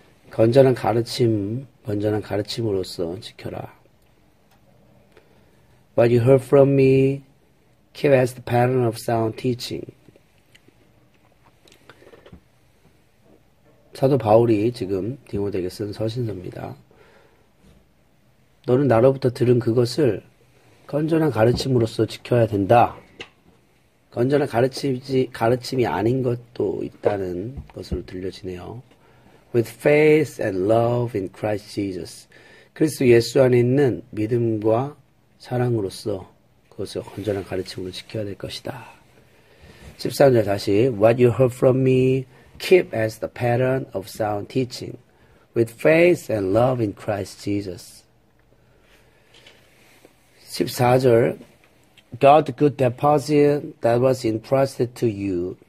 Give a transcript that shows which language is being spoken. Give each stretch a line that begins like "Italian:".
Korean: 건전한 가르침으로서 지켜라.
English: What you heard from me, keep as the pattern of sound teaching.
Korean: 사도 바울이 지금 디모데에게 쓴 서신서입니다. 너는 나로부터 들은 그것을 건전한 가르침으로서 지켜야 된다. 건전한 가르침이 아닌 것도 있다는 것으로 들려지네요.
English: With faith and love in Christ Jesus.
Korean: 그리스도 예수 안에 있는 믿음과 사랑으로서 그것을 건전한 가르침으로 지켜야 될 것이다. 13절 다시.
English: What you heard from me, keep as the pattern of sound teaching. With faith and love in Christ Jesus.
Korean: 14절.
English: Guard the good deposit that was entrusted to you.